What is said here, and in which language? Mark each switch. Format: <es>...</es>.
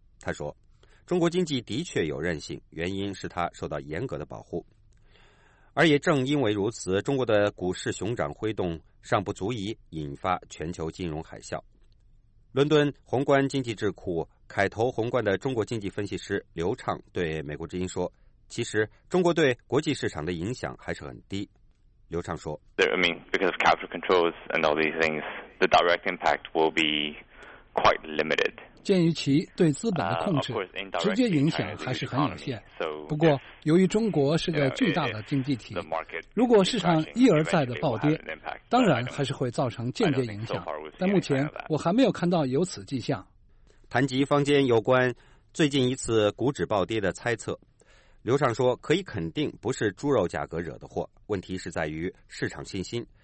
<zh>他说，中国经济的确有韧性，原因是它受到严格的保护，而也正因为如此，中国的股市熊掌挥动尚不足以引发全球金融海啸。伦敦宏观经济智库凯投宏观的中国经济分析师刘畅对美国之音说，其实中国对国际市场的影响还是很低。刘畅说，</zh> <en>I mean, because of capital controls and all these things, the direct impact will be quite limited.</en> <zh>鉴于其对资本的控制，直接影响还是很有限。不过由于中国是个巨大的经济体，如果市场一而再的暴跌，当然还是会造成间接影响，但目前我还没有看到有此迹象。谈及坊间有关最近一次股指暴跌的猜测，刘畅说，可以肯定不是猪肉价格惹的祸，问题是在于市场信心。</zh>